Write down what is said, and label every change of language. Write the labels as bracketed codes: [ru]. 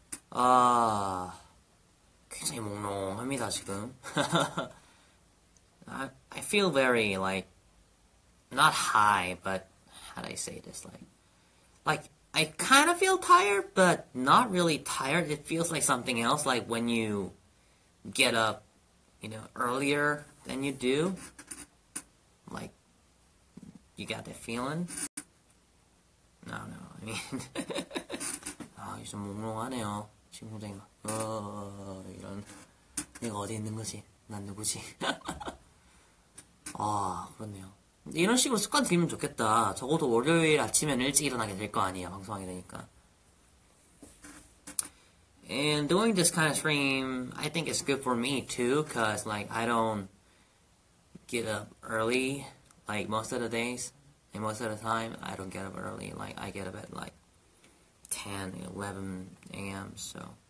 [ko] 아, 굉장히 몽롱합니다, 지금. [en] I feel very, like, not high, but how do I say this? I kind of feel tired, but not really tired. It feels like something else, like when you get up, earlier than you do. Like, you got that feeling? No, I mean, [ko] 아, 요즘 몽롱하네요. 지금 굉장히 막, 이런, 내가 어디 있는 거지? 난 누구지? 아, 그렇네요. 근데 이런 식으로 습관 들이면 좋겠다. 적어도 월요일 아침에는 일찍 일어나게 될거 아니야, 방송하게 되니까. [en] And doing this kind of stream, I think it's good for me too, cause like, I don't, get up early, like most of the days, and most of the time, I don't get up early. Like, I get up at like 10, 11 a.m. So.